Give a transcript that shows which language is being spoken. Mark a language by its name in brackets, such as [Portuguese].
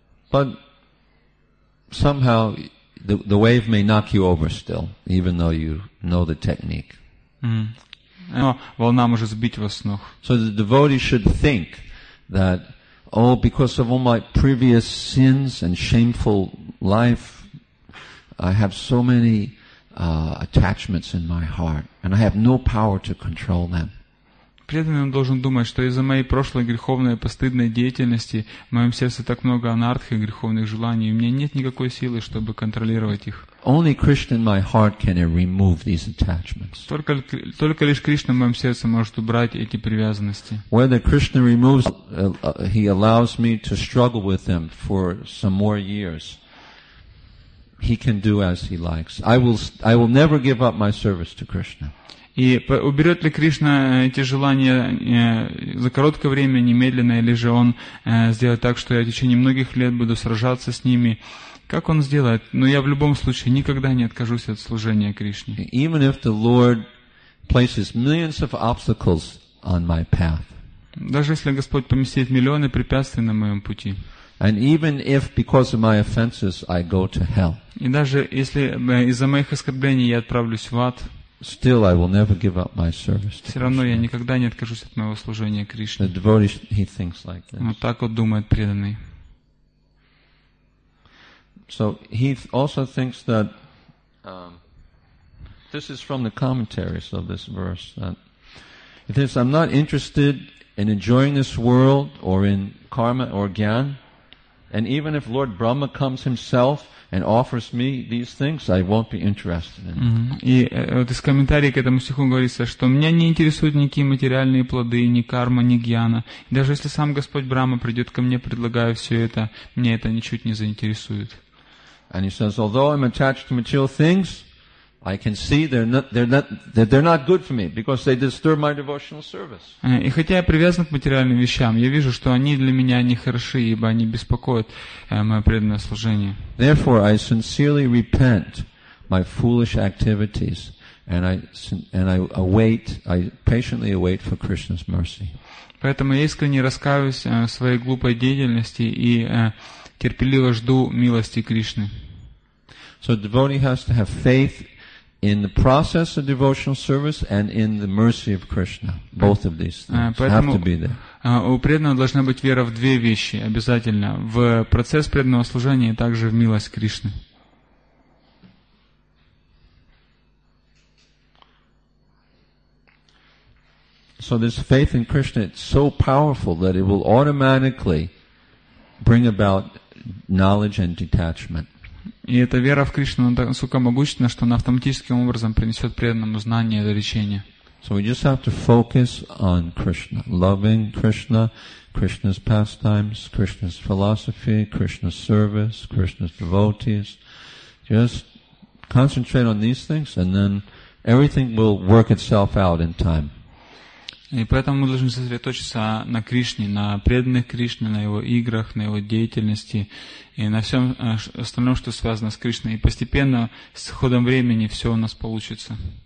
[English] But somehow the wave may knock you over still, even though you know the technique. [Russian] Но волна может сбить вас с ног. [English] So the devotee should think that oh, because of all my previous sins and shameful life, I have so many attachments in my heart, and I have no power to control them. [Russian] Преданный должен думать, что из-за моей прошлой греховной и постыдной деятельности в моем сердце так много анартхи, греховных желаний, и у меня нет никакой силы, чтобы контролировать их. [English] Only Krishna in my heart can remove these attachments. [Russian] Только лишь Кришна в моем сердце может убрать эти привязанности. [English] Whether Krishna removes, he allows me to struggle with them for some more years, he can do as he likes. I will never give up my service to Krishna. [Russian] И уберет ли Кришна эти желания за короткое время, немедленно, или же он сделает так, что я в течение многих лет буду сражаться с ними? Как он сделает? Но я в любом случае никогда не откажусь от служения Кришне. [English] Even if the Lord places millions of obstacles on my path. [Russian] Даже если Господь поместит миллионы препятствий на моем пути. [English] And even if because of my offenses I go to hell. [Russian] И даже если из-за моих оскорблений я отправлюсь в ад. [English] Still, I will never give up my service. [Russian] Все равно я никогда не откажусь от моего служения Кришне. [English] The devotee, he thinks like this. [Russian] Вот так вот думает преданный. [English] So he also thinks that this is from the commentaries of this verse. That he thinks I'm not interested in enjoying this world or in karma or gyan. And even if Lord Brahma comes himself and offers me these things, I won't be interested in. [Russian] И вот из комментариев к этому стиху говорится, что меня не интересуют никакие материальные плоды, ни карма, ни гьяна. Даже если сам Господь Брама придет ко мне, предлагая все это, меня это ничуть не заинтересует. [English] And he says, although I'm attached to material things, I can see they're not good for me because they disturb my devotional service. [Russian] И хотя я привязан к материальным вещам, я вижу, что они для меня не хороши, ибо они беспокоят мое преданное служение. [English] Therefore, I sincerely repent my foolish activities, and I patiently await for Krishna's mercy. [Russian] Поэтому я искренне раскаиваюсь в своей глупой деятельности и терпеливо жду милости Кришны. [English] So the devotee has to have faith in the process of devotional service and in the mercy of Krishna. Both of these things have to be there. [Russian] У преданного должна быть вера в две вещи обязательно. В процесс преданного служения и также в милость Кришны. [English] So this faith in Krishna is so powerful that it will automatically bring about knowledge and detachment. [Russian] И эта вера в Кришну настолько могущественна, что она автоматическим образом принесет преданному знание и отречение. [English] So we just have to focus on Krishna, loving Krishna, Krishna's pastimes, Krishna's philosophy, Krishna's service, Krishna's devotees. Just concentrate on these things, and then everything will work itself out in time. [Russian] И поэтому мы должны сосредоточиться на Кришне, на преданных Кришне, на его играх, на его деятельности и на всем остальном, что связано с Кришной. И постепенно, с ходом времени, все у нас получится.